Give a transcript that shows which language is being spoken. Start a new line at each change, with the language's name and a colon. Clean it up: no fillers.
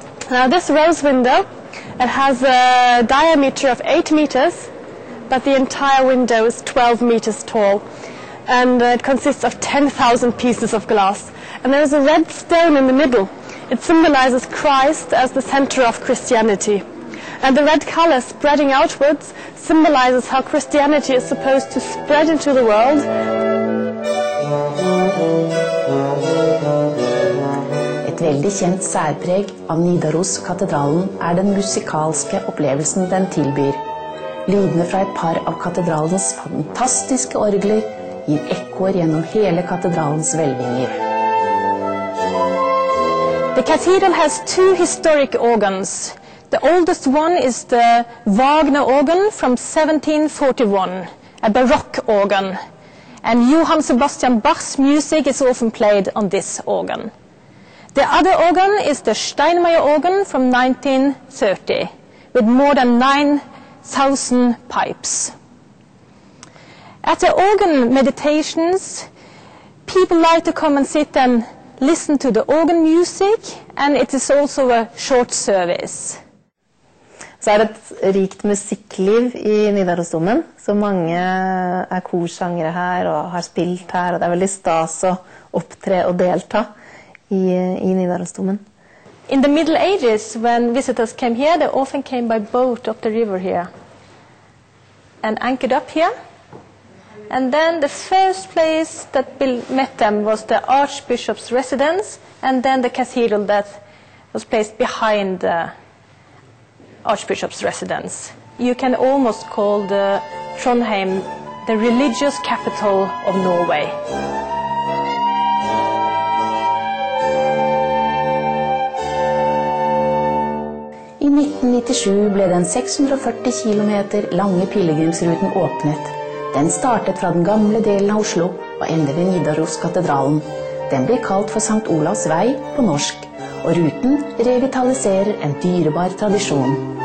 English: Now this rose window, it has a diameter of 8 meters, but the entire window is 12 meters tall, and it consists of 10,000 pieces of glass. And there is a red stone in the middle. It symbolizes Christ as the center of Christianity. And the red color spreading outwards symbolizes how Christianity is supposed to spread into the world.
Norwegian: Et veldig kjent særpreg av Nidaros-katedralen den musikalske opplevelsen den tilbyr. Lydene fra et par av katedralens fantastiske orgler gir ekkoer gjennom hele katedralens hvelvinger.
English: The cathedral has two historic organs. The oldest one is the Wagner organ from 1741, a Baroque organ. And Johann Sebastian Bach's music is often played on this organ. The other organ is the Steinmeier organ from 1930, with more than 9,000 pipes. At the organ meditations, people like to come and sit and listen to the organ music, and it is also a short service.
Norwegian: Så et rikt musikkliv i Nidarosdomen. Så mange korsangere her og har spilt her, og det veldig stas å opptre og delta i Nidarosdomen.
English: In the Middle Ages, when visitors came here, they often came by boat up the river here and anchored up here. And then the first place that met them was the Archbishop's residence, and then the cathedral that was placed behind the Archbishop's residence. You can almost call the Trondheim the religious capital of Norway.
Norwegian: I 1997 ble den 640 kilometer lange pilgrimsruten åpnet. Den startet fra den gamle delen av Oslo og endte ved Nidaros-katedralen. Den blir kalt for Sankt Olavs vei på norsk, og ruten revitaliserer en dyrebar tradisjon.